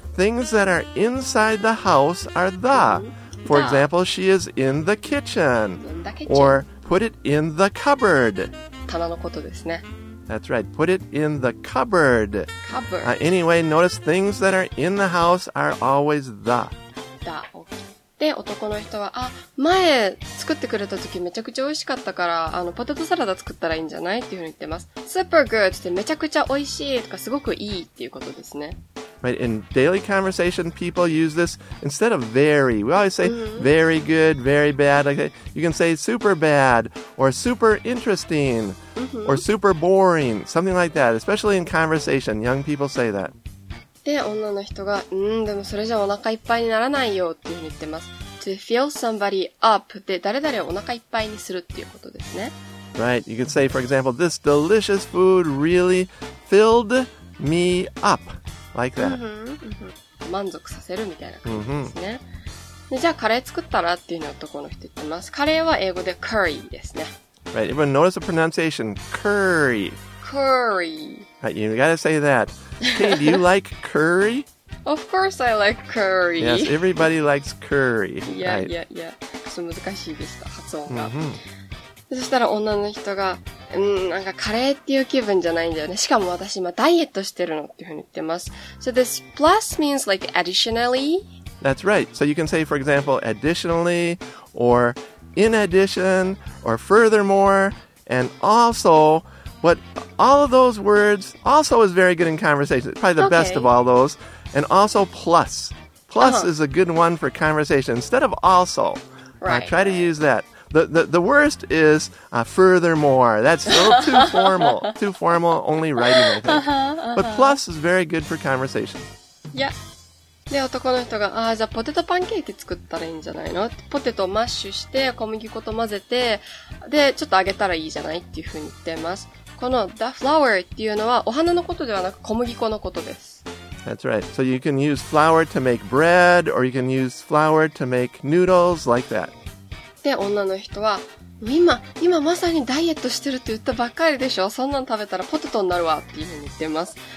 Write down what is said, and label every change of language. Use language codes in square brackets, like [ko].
[en] Things that are inside the house are the. For example, she is in the kitchen. Or put it in the cupboard. [ja] 棚のことですね。 [en] That's right. Put it in the cupboard. Cupboard. Anyway, notice things that are in the house are always the. The. Okay. [ja] で、男の人は、あ、前作ってくれた時めちゃくちゃ美味しかったから、ポテトサラダ作ったらいいんじゃないっていうふうに言ってます。 [en] super good [ja] ってめちゃくちゃ美味しいとかすごくいいっていうことですね。 [en] Right, in daily conversation, people use this instead of very. We always say very good, very bad. Like, you can say super bad or super interesting or super boring, something like that. Especially in conversation, young people say that. [ja] で、女の人が、んー、でもそれじゃお腹いっぱいにならないよっていうふうに言ってます。 [en] To fill somebody up [ja] で、誰々をお腹いっぱいにするっていうことですね。 [en] Right, you can say, for example, this delicious food really filled me up. Like that. Mm-hmm. [ja] 満足させるみたいな感じですね。 [en] Mm-hmm. [ja] で、じゃあカレー作ったらっていうのは男の人言ってます。カレーは英語で curry ですね。 [en] Right. Everyone notice the pronunciation. Curry. Curry. Right. You gotta say that. Hey, do you like curry? Of course I like curry. Yes, everybody likes curry. Yeah, yeah, yeah. [ja] 難しいでした、発音が。そしたら女の人が、んー、なんかカレーっていう気分じゃないんだよね。しかも私今ダイエットしてるのっていうふうに言ってます。 [en] So this plus means like additionally? That's right. So you can say, for example, additionally, or in addition, or furthermore, and also, what all of those words, also is very good in conversation. Probably the best of all those. And also plus. Plus is a good one for conversation. Instead of also, try to use that. The worst is furthermore. That's a little too formal. Too formal only writing, I think. Uh-huh, uh-huh. But plus is very good for conversation. Yeah. [ja] で、男の人が、あ、じゃあポテトパンケーキ作ったらいいんじゃないの？ポテトをマッシュして、小麦粉と混ぜて、で、ちょっと揚げたらいいじゃないっていうふうに言ってます。この [en] the flower [ja] っていうのはお花のことではなく小麦粉のことです。 [en] That's right. So you can use flour to make bread, or you can use flour to make noodles like that. [ja] で、女の人は、今まさにダイエットしてるって言ったばっかりでしょ？そんなん食べたらポテトになるわっていうふうに言ってます。